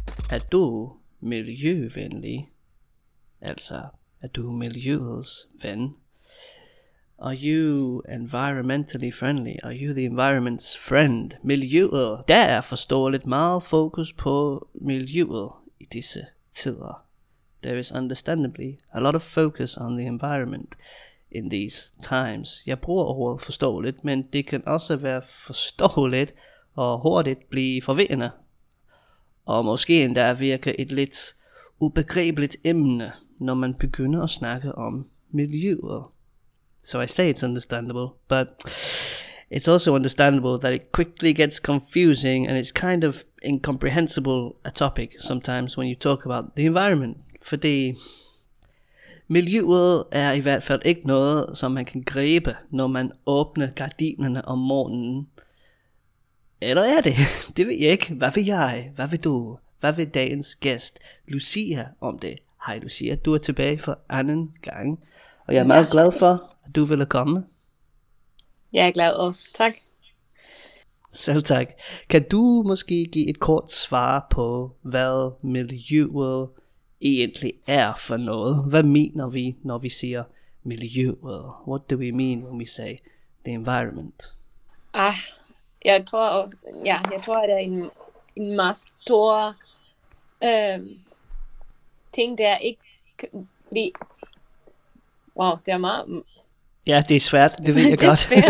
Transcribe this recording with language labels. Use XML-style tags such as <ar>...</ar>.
<da>Er du miljøvenlig? Altså, er du miljøets ven?</da> <en>Are you environmentally friendly? Are you the environment's friend?</en> <da>Miljøet? Der er forståeligt meget fokus på miljøet i disse tider.</da> <en>There is understandably a lot of focus on the environment in these times.</en> <da>Jeg bruger ordet forståeligt, men det kan også være forståeligt og hurtigt blive forvirrende. Og måske endda virker et lidt ubegribeligt emne, når man begynder at snakke om miljøet.</da> <en>So I say it's understandable, but it's also understandable that it quickly gets confusing and it's kind of incomprehensible a topic sometimes when you talk about the environment.</en> <da>Fordi miljøet er i hvert fald ikke noget, som man kan gribe, når man åbner gardinerne om morgenen. Eller er det? Det ved jeg ikke. Hvad vil jeg? Hvad vil du? Hvad vil dagens gæst, Lucia, om det? Hej Lucia, du er tilbage for anden gang, og jeg er meget glad for, at du ville komme. Jeg er glad også. Tak. Selv tak. Kan du måske give et kort svar på, hvad miljøet egentlig er for noget? Hvad mener vi, når vi siger miljøet?</da> <en>What do we mean when we say the environment? Ah.</en> <da>Jeg tror, at det er en meget stor ting, der ikke, fordi, wow, det er meget. Ja, det er svært, det ved jeg godt.</da>